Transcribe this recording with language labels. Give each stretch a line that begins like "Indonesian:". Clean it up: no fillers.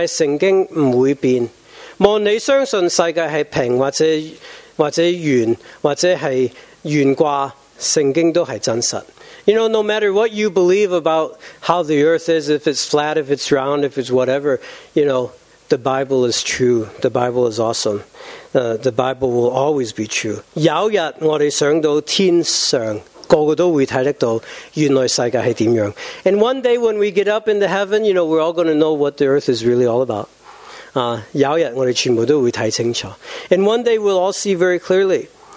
Chinese: 我们的科学变来变去,但是圣经不会变。无论你相信世界是平或者圆或者是悬挂,圣经都是真实。
English: You know, no matter what you believe about how the earth is, if it's flat, if it's round, if it's whatever, you know, the Bible is true. The Bible is awesome. The Bible will always be true.
Chinese: 有日我们想到天上,个个都会看得到原来世界是怎样。
English: And one day when we get up into heaven, you know, we're all going to know what the earth is really all about.
Chinese: 有日我们全部都会看清楚。
English: And one day we'll all see very clearly.